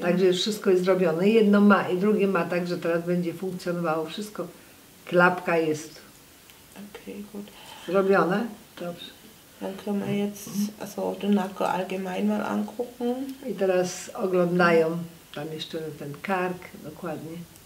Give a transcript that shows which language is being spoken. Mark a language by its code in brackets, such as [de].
[pl] Także wszystko jest zrobione. Jedno ma i drugie ma, tak że teraz będzie funkcjonowało wszystko. Klapka jest zrobione. Dobrze. [de] Dann können wir jetzt also den Nacken allgemein mal angucken. [pl] I teraz oglądają tam jeszcze ten kark, dokładnie.